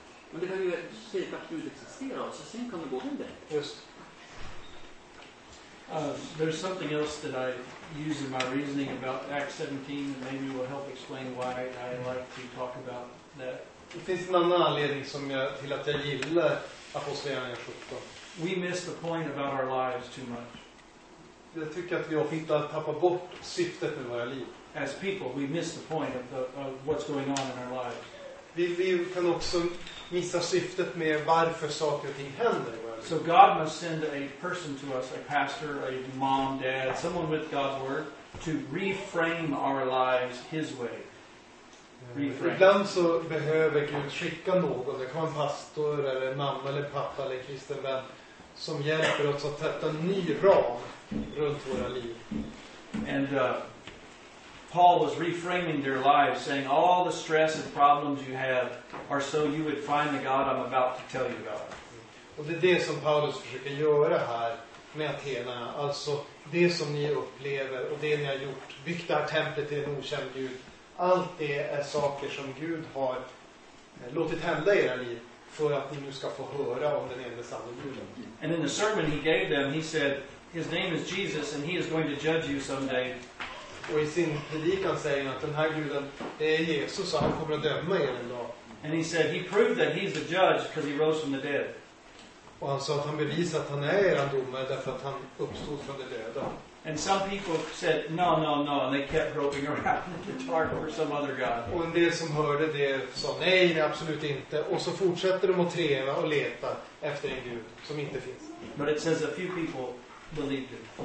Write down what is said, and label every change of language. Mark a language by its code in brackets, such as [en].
[sv] Men det kan ju säga att Gud existerar och så sen kan det gå in där. Just. [en] There's something else that I use in my reasoning about Acts 17 and maybe will help explain why I like to talk about that. [sv] Det finns en annan anledning som jag till att jag gillar Apostlagärningarna 17. [en] We miss the point about our lives too much. [sv] Jag tycker att vi ofta tappar bort syftet med våra liv. [en] As people, we miss the point of what's going on in our lives. [sv] Vi kan också missa syftet med varför saker och ting händer. [en] So God must send a person to us, a pastor, a mom, dad, someone with God's word, to reframe our lives His way. [sv] Ibland så behöver Gud skicka någon, det kan vara en pastor eller mamma eller pappa eller kristen vän som hjälper oss att sätta en ny ram runt våra liv. [en] And Paul was reframing their lives saying all the stress and problems you have are so you would find the God I'm about to tell you about. [sv] Och det är det som Paulus försöker göra här med Athena, alltså det som ni upplever och det ni har gjort, byggt det här templet till en okänd Gud. Allt det är saker som Gud har låtit hända i era liv för att ni nu ska få höra om den enda sanna Guden. [en] And in the sermon he gave them, he said, his name is Jesus and he is going to judge you someday. [sv] Och i sin predikan säger han att den här Guden, det är Jesus och han kommer att döma er en dag. [en] And he said, he proved that he's the judge because he rose from the dead. [sv] Och han sa att han bevisade att han är eran domare därför att han uppstod från de döda. [en] And some people said no, and they kept groping around the dark for some other god. [sv] Och en del som hörde det sa nej, absolut inte. Och så fortsätter de att treva och leta efter en gud som inte finns. [en] But it says a few people believed it.